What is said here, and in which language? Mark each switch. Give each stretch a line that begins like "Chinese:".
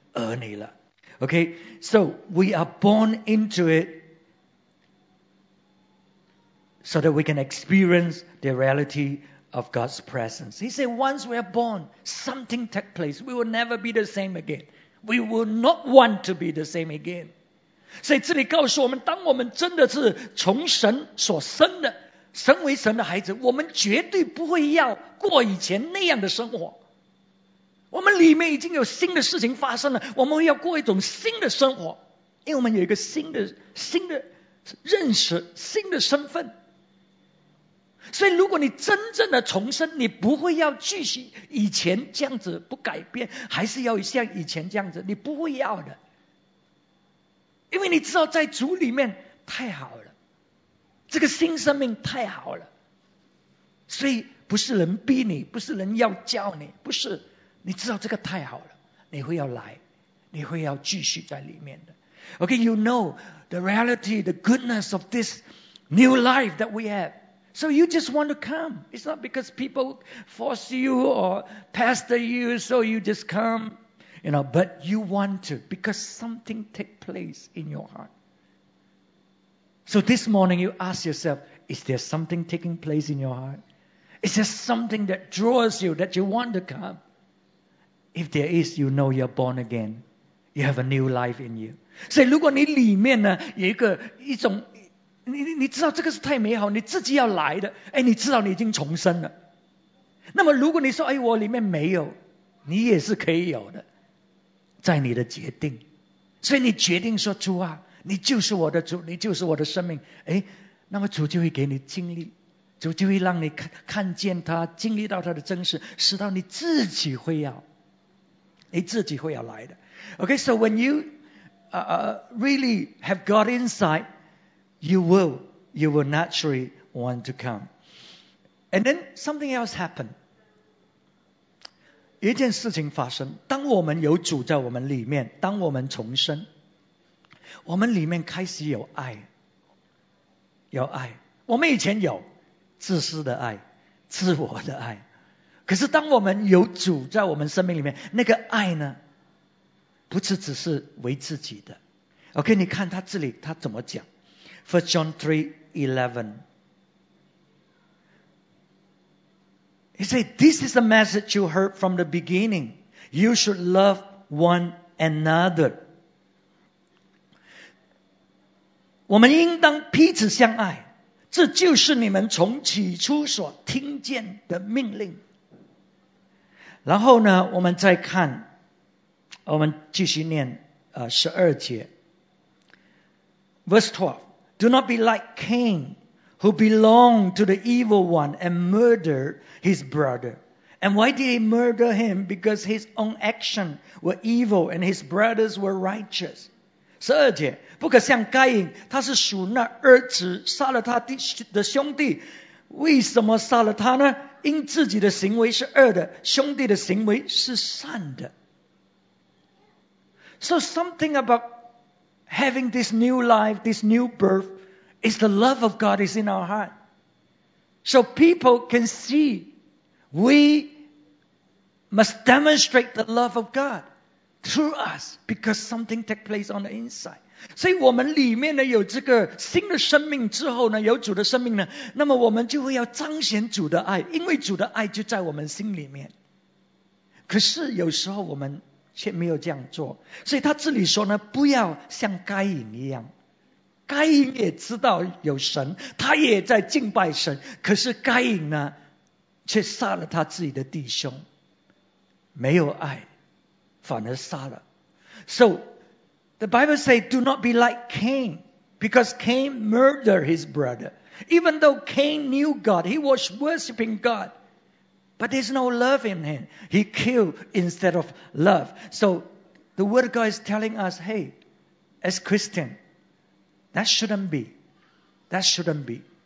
Chinese: 我们都可以被神重生，接着神的灵，接着神的道，神的话语。今天早晨你在听，你把这些话语听进去，你知道吗？这些种，这些道就在你的心里面了。你让它在你的心里面工作的话呢，你就可以成为神的儿女了。
English: OK, so we are born into it. So that we can experience the reality of God's presence. He said, once we are born, something takes place. We will never be the same again. We will not want to be the same again.
Chinese: 所以这里告诉我们，当我们真的是从神所生的，成为神的孩子，我们绝对不会要过以前那样的生活。我们里面已经有新的事情发生了，我们会要过一种新的生活，因为我们有一个新的认识、新的身份。所以如果你真正的重生，你不会要继续以前这样子不改变，还是要像以前这样子，你不会要的。因为你知道在主里面太好了，这个新生命太好了，所以不是人逼你，不是人要叫你，不是，你知道这个太好了，你会要来。你会要继续在里面的。
English: Okay, you know the reality, the goodness of this new life that we have. So you just want to come. It's not because people force you or pester you, so you just come. You know, but you want to because something takes place in your heart. So this morning you ask yourself, is there something taking place in your heart? Is there something that draws you, that you want to come? If there is, you know you're born again. You have a new life in you.
Chinese: 所以如果你里面呢有一个一种 你知道这个是太美好，你自己要来的，哎，你知道你已经重生了。那么如果你说，哎，我里面没有，你也是可以有的，在你的决定。所以你决定说，主啊，你就是我的主，你就是我的生命，哎，那么主就会给你经历，主就会让你 看见他，经历到他的真实，使到你自己会要，你自己会要来的。
English: Okay, so when you really have God inside, you will naturally want to come. And then something else happened.
Chinese: 一件事情发生，当我们有主在我们里面，当我们重生，我们里面开始有爱，有爱。我们以前有自私的爱，自我的爱，可是当我们有主在我们生命里面，那个爱呢，不是只是为自己的。 OK, 你看他这里他怎么讲。
English: 1 John 3:11 He said, this is the message you heard from the beginning. You should love one another.
Chinese: 我们应当彼此相爱，这就是你们从起初所听见的命令。然后呢，我们再看，我们继续念12节
English: Verse 12 Do not be like Cain, who belonged to the evil one and murdered his brother. And why did he murder him? Because his own actions were evil and his brothers were righteous.
Chinese: 12节，不可像该隐，他是属那二子，杀了他的兄弟。为什么杀了他呢？因自己的行为是恶的，兄弟的行为是善的。
English: So something about having this new life, this new birth, is the love of God is in our heart. So people can see we must demonstrate the love of God through us because something takes place on the inside.
Chinese: 所以我们里面呢有这个新的生命之后呢，有主的生命呢，那么我们就会要彰显主的爱，因为主的爱就在我们心里面。可是有时候我们却没有这样做，所以他这里说呢，不要像该隐一样。该隐也知道有神，他也在敬拜神，可是该隐呢却杀了他自己的弟兄，没有爱反而杀了。
English: So the Bible says, do not be like Cain, because Cain murdered his brother. Even though Cain knew God, he was worshipping God, but there's no love in him. He killed instead of love. So the Word of God is telling us, hey, as Christian, that shouldn't be. That shouldn't be.